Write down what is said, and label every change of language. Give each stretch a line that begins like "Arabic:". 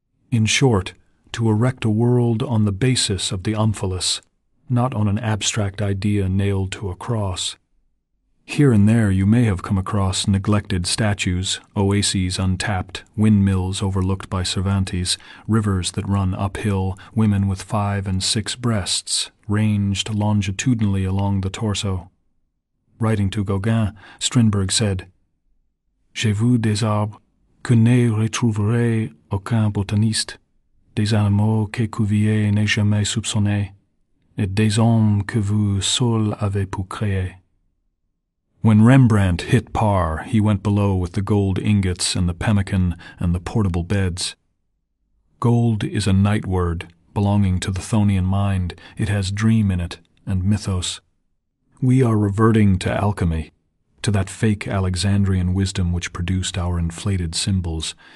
English: In short, to erect a world on the basis of the omphalos, not on an abstract idea nailed to a cross. Here and there you may have come across neglected statues, oases untapped, windmills overlooked by Cervantes, rivers that run uphill, women with 5 and 6 breasts, ranged longitudinally along the torso. Writing to Gauguin, Strindberg said,
French: J'ai vu des arbres que ne retrouverait aucun botaniste, des animaux que Cuvier n'ait jamais soupçonné, et des hommes que vous seul avez pu créer.
English: When Rembrandt hit par, he went below with the gold ingots and the pemmican and the portable beds. Gold is a night word, belonging to the Thonian mind. It has dream in it and mythos. We are reverting to alchemy, to that fake Alexandrian wisdom which produced our inflated symbols.